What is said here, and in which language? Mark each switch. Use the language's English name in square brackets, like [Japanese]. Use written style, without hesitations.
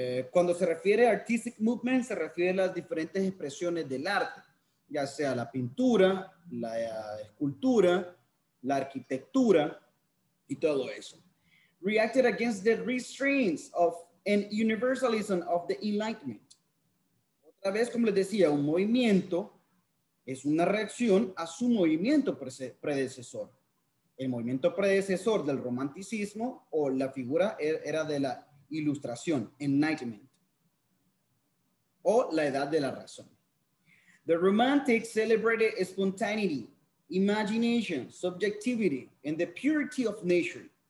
[Spanish] Cuando se refiere a artistic movement, se refiere a las diferentes expresiones del arte, ya sea la pintura, la escultura, la arquitectura y todo eso. [English] Reacted against the restraints of and universalism of the Enlightenment. [Spanish] Otra vez, como les decía, un movimiento es una reacción a su movimiento predecesor. El movimiento predecesor del romanticismo o la figura era de la Ilustración, Enlightenment, o la Edad de la Razón. [English] The Romantics celebrated spontaneity, imagination, subjectivity, and the purity of nature.